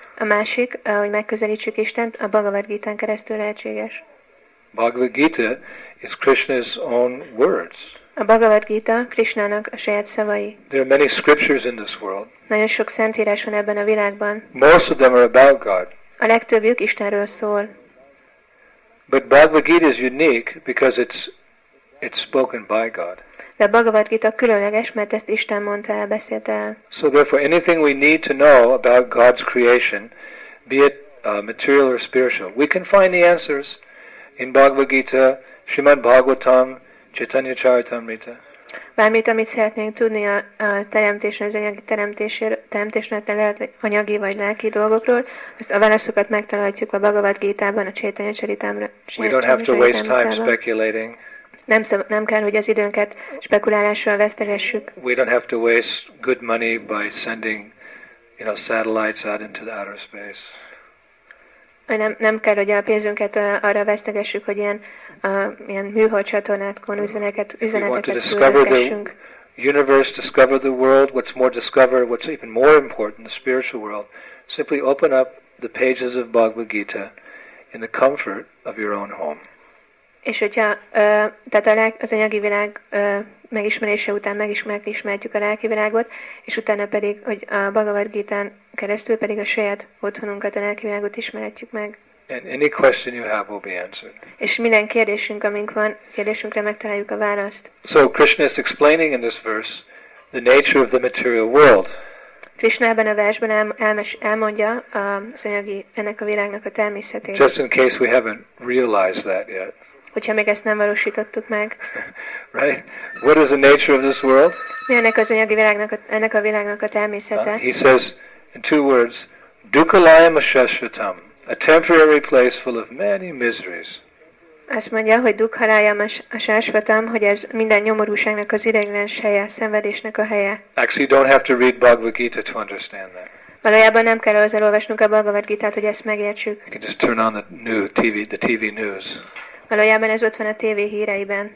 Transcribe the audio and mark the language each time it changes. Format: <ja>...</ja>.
<hu>A másik, hogy megközelítsük Istent, a Bhagavad Gita-n keresztül lehetséges.</hu> <en>Bhagavad Gita is Krishna's own words.</en> <hu>A Bhagavad Gita Krishna-nak a saját szavai.</hu> <en>There are many scriptures in this world.</en> <hu>Nagyon sok szentírás van ebben a világban.</hu> <en>Most of them are about God.</en> <hu>A legtöbbjük Istenről szól.</hu> <en>But Bhagavad Gita is unique because it's spoken by God.</en> <hu>De a Bhagavad Gita különleges, mert ezt Isten mondta el, beszélt el.</hu> <en>So therefore, anything we need to know about God's creation, be it material or spiritual, we can find the answers in Bhagavad Gita, Srimad Bhagavatam, Chaitanya Charitamrita.</en> <hu>Bármit, amit szeretnénk tudni a teremtésről, az anyagi teremtésről, tehát anyagi vagy lelki dolgokról, azt a válaszokat megtalálhatjuk a Bhagavad Gita-ban, a Chaitanya Charitamrita-ban.</hu> <en>We don't have to waste time speculating.</en> <hu>Nem kell, hogy az időnket spekulálással vesztegessük.</hu> <en>We don't have to waste good money by sending, you know, satellites out into the outer space.</en> <hu>Nem kell, hogy a pénzünket arra vesztegessük, hogy ilyen műholdcsatornákon üzeneteket küldözgessünk.</hu> <en>Universe, discover the world, what's more discovered, what's even more important, the spiritual world. Simply open up the pages of Bhagavad Gita in the comfort of your own home.</en> <hu>És hogyha tehát az anyagi világ megismerése után megismerhetjük a lelki világot, és utána pedig, hogy a Bhagavad Gita-n keresztül pedig a saját otthonunkat, a lelki világot ismerhetjük meg.</hu> <en>And any question you have will be answered.</en> <hu>És minden kérdésünk, amink van, kérdésünkre megtaláljuk a választ.</hu> <en>So Krishna is explaining in this verse the nature of the material world.</en> <hu>Krishna ebben a versben elmondja az anyagi, ennek a világnak a természetét.</hu> <en>Just in case we haven't realized that yet.</en> <hu>Hogyha még ezt nem valósítottuk meg.</hu> <en>Right? What is the nature of this world?</en> <hu>Mi ennek az anyagi világnak, ennek a világnak a természete?</hu> <en>He says in two words, dukalayam ashashvatam, a temporary place full of many miseries.</en> <hu>Azt mondja, hogy dukalayam ashashvatam, hogy ez minden nyomorúságnak az ideiglenes helye, szenvedésnek a helye.</hu> <en>Actually, you don't have to read Bhagavad Gita to understand that.</en> <hu>Valójában nem kell ezzel olvasnunk a Bhagavad Gita-t, hogy ezt megértsük.</hu> <en>You can just turn on the TV news.</en> <hu>Valójában ez ott van a TV híreiben.</hu>